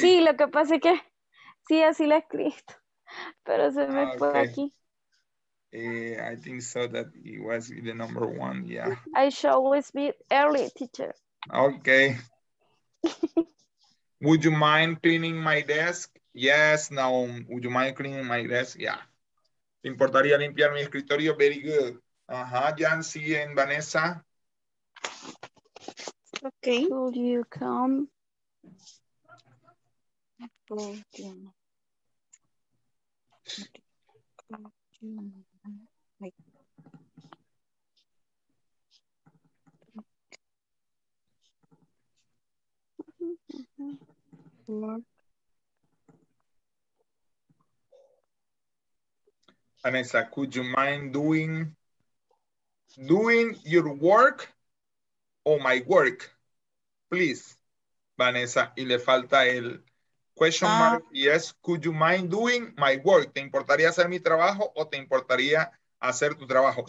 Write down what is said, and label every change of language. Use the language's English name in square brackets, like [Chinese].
[Spanish] Sí, lo que pasa es que sí, así la escribí, pero se me fue aquí. [English] I think so that it was the number one, yeah. I shall always be early, teacher. Okay. Would you mind cleaning my desk? Yes, no. Would you mind cleaning my desk? Yeah. [Spanish] ¿Te importaría limpiar mi escritorio? [English] Very good. Yancy and Vanessa. Okay. Could you come? Vanessa, could you mind doing your work or my work, please, Vanessa? [Spanish] Y le falta el [English] question mark. Yes, could you mind doing my work? [Spanish] ¿Te importaría hacer mi trabajo o te importaría hacer tu trabajo?